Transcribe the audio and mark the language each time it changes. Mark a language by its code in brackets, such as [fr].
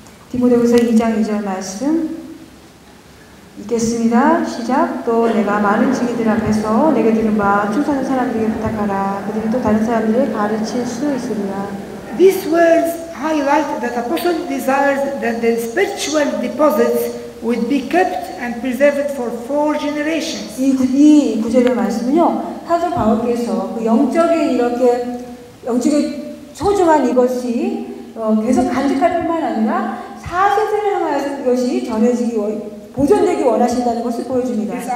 [ko] 디모데후서 2장 2절 말씀. 읽겠습니다. 시작. 또 내가 많은 증인들 앞에서 내게 들은 바 충성한 사람들에게 부탁하라. 그들이 또 다른 사람들을 가르칠 수 있으리라. [en] These words highlight that apostle desires that the spiritual deposits would be kept and preserved for four generations. [ko] 이 구절의 말씀은요, 사도 바울께서 그 영적인 이렇게 영적의 소중한 이것이 계속 간직할 뿐만 아니라 4세대를 향하여서 그것이 전해지기 보존되기 원하신다는 것을 보여줍니다.